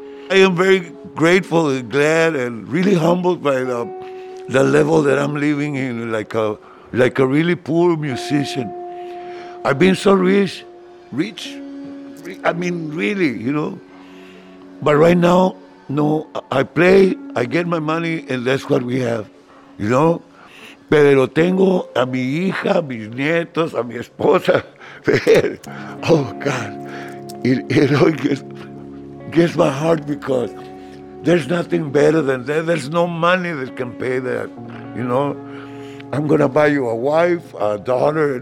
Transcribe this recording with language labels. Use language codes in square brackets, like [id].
[en] I am very grateful and glad and really humbled by the level that I'm living in, like a really poor musician. I've been so rich, I mean, really, you know. But right now, no, I play, I get my money, and that's what we have, you know. [es] Pero tengo a mi hija, mis nietos, a mi esposa. [en] Oh, God. It gets my heart, because there's nothing better than that. There's no money that can pay that, you know. I'm gonna buy you a wife, a daughter.